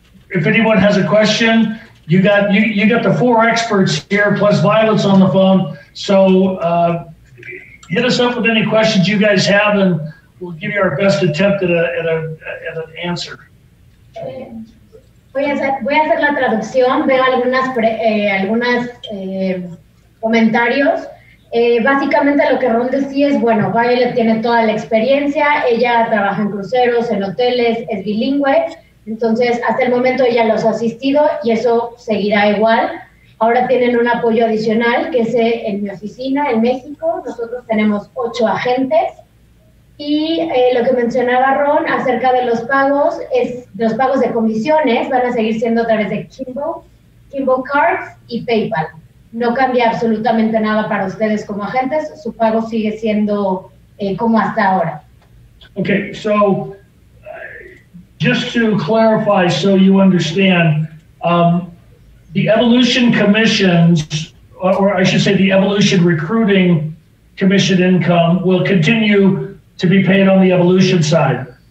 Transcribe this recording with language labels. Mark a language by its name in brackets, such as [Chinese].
[English] If anyone has a question, you got the four experts here plus Violet's on the phone. So hit us up with any questions you guys have, and we'll give you our best attempt at an answer. [Spanish] Voy a hacer la traducción, ver algunos comentarios. Básicamente lo que Ron decía es, bueno, Violet tiene toda la experiencia, ella trabaja en cruceros, en hoteles, es bilingüe, entonces hasta el momento ella los ha asistido y eso seguirá igual. Ahora tienen un apoyo adicional que es en mi oficina en México, nosotros tenemos 8 agentes. Y lo que mencionaba Ron acerca de los pagos, los pagos de comisiones van a seguir siendo a través de Kimbo Cards y PayPal. No cambia absolutamente nada para ustedes como agentes, su pago sigue siendo como hasta ahora. [English] Okay, so just to clarify so you understand, the Evolution commissions, or I should say the Evolution recruiting commission income, will continue to be paid on the Evolution side.